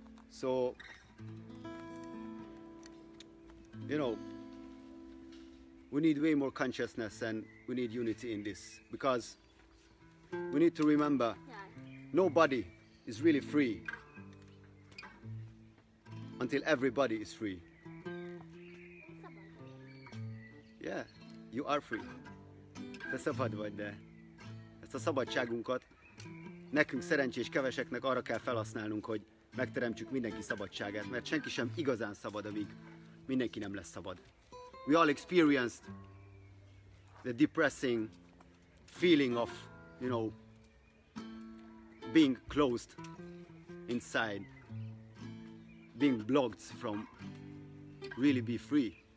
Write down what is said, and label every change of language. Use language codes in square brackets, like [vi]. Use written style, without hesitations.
[en] So, you know, we need way more consciousness and we need unity in this. Because we need to remember, nobody is really free until everybody is free. Yeah, you are free. [hu] Te szabad vagy, de ezt a szabadságunkat nekünk szerencsés keveseknek arra kell felhasználnunk, hogy megteremtsük mindenki szabadságát, mert senki sem igazán szabad, amíg mindenki nem lesz szabad. [en] We all experienced the depressing feeling of, you know, being closed inside, being blocked from really be free.